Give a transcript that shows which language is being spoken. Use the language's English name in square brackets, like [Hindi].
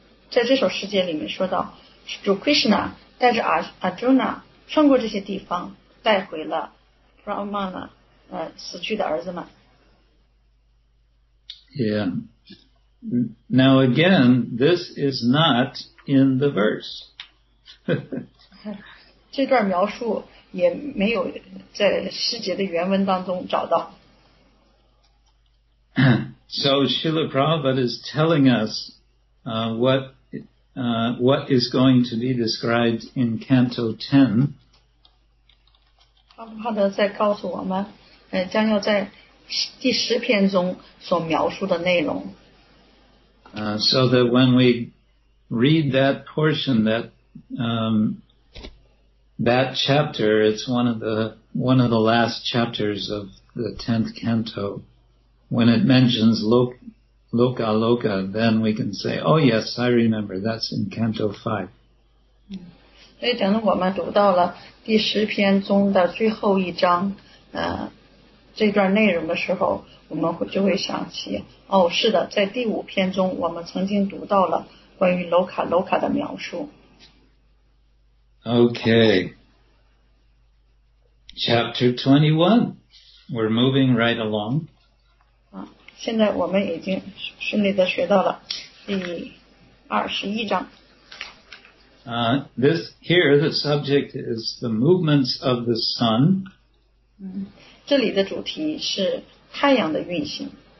[Chinese] 在这首诗节里面说到，主 Krishna 带着 Arjuna 穿过这些地方，带回了 Brahmana 死去的儿子们。 [English] Yeah. Now again, this is not in the verse. [Chinese] 这段描述也没有在诗节的原文当中找到。 [English] So Srila Prabhupada is telling us what is going to be described in Canto 10. [Chinese] Prabhupada 在告诉我们将要在第十篇中所描述的内容。 [English] So that when we read that portion, that chapter, it's one of the last chapters of the 10th canto. When it mentions loka loka, then we can say, oh yes, I remember, that's in Canto 5. [Chinese] 所以等我们读到了第十篇中的最后一章这段内容的时候，我们就会想起，哦，是的，在第五篇中我们曾经读到了关于 loka loka 的描述。 [English] Okay. Chapter 21. We're moving right along. [Chinese] 现在我们已经顺利地学到了第21章。 [English] Here the subject is the movements of the sun. [Chinese] 这里的主题是太阳的运行。